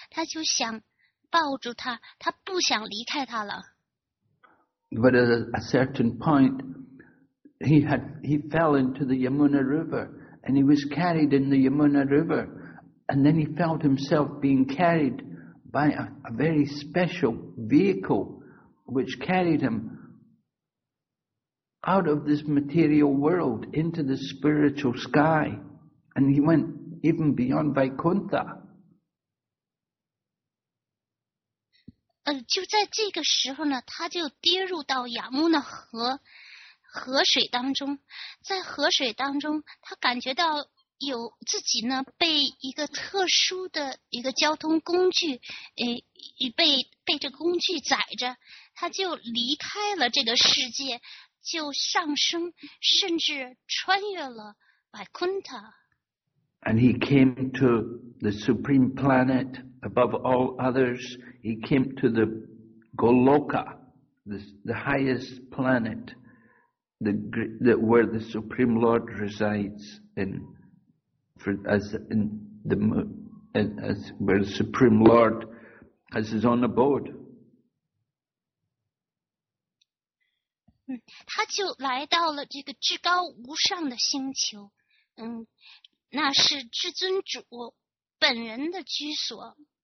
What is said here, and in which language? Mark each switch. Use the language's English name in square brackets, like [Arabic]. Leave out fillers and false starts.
[Chinese] 他就想抱住他，他不想离开他了。 [English] But at a certain point, he fell into the Yamuna River. And he was carried in the Yamuna River, and then he felt himself being carried by a very special vehicle, which carried him out of this material world into the spiritual sky, and he went even beyond Vaikuntha. [Chinese] 就在这个时候呢，他就跌入到雅穆纳河水当中，在河水当中，他感觉到有自己呢被一个特殊的一个交通工具，被这工具载着，他就离开了这个世界，就上升，甚至穿越了Vaikuntha。 [English] And he came to the supreme planet above all others. He came to the Goloka, the highest planet. Where the Supreme Lord resides as where the Supreme Lord has his own abode. [Chinese] 他就来到了这个至高无上的星球，那是至尊主本人的居所。